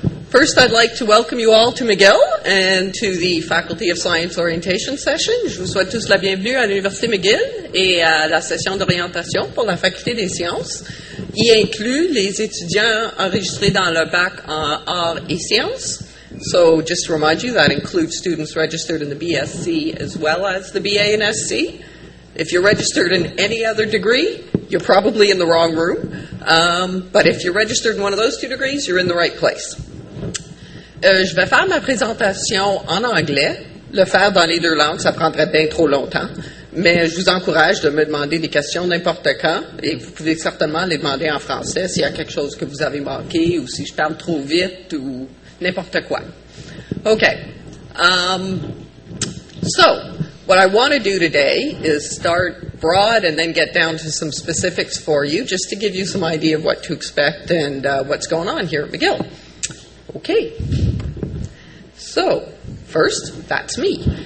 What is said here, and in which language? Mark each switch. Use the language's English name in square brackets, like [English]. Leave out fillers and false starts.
[English] First, I'd like to welcome you all to McGill and to the Faculty of Science Orientation Session. [French] Je vous souhaite tous la bienvenue à l'Université McGill et à la session d'orientation pour la Faculté des sciences, y inclut les étudiants enregistrés dans le bac en arts et sciences. [English] So, just to remind you, that includes students registered in the BSc as well as the BA and SC. If you're registered in any other degree, you're probably in the wrong room. But if you're registered in one of those two degrees, you're in the right place. [French] Je vais faire ma présentation en anglais. Le faire dans les deux langues, ça prendrait bien trop longtemps. Mais je vous encourage de me demander des questions n'importe quand. Et vous pouvez certainement les demander en français s'il y a quelque chose que vous avez manqué ou si je parle trop vite ou n'importe quoi. [English] OK. So, what I want to do today is start broad and then get down to some specifics for you, just to give you some idea of what to expect and what's going on here at McGill. Okay, so first, that's me.